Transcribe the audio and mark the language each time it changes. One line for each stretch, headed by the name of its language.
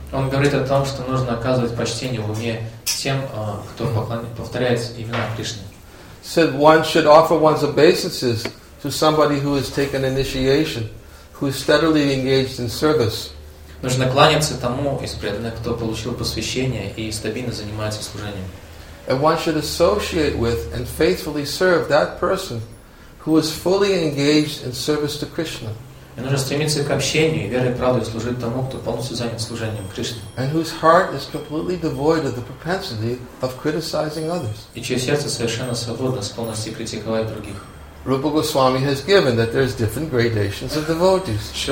Russian: Он говорит о том, что нужно оказывать почтение в уме тем, кто повторяет имена Кришны.
English: Said one should offer one's obeisances to somebody who has taken initiation, who is steadily engaged in service.
Russian: Нужно кланяться тому из преданных, кто получил посвящение и стабильно занимается служением.
English: And one should associate with and faithfully serve that person who is fully engaged in service to Krishna.
Russian: И нужно стремиться к общению и верой и правдой служить тому, кто полностью занят служением Кришне.
English: And whose heart is completely devoid of the propensity of criticizing others.
Russian: И чье сердце совершенно свободно с полностью критиковать других.
English: Rupa Goswami has given, that there's different gradations of devotees.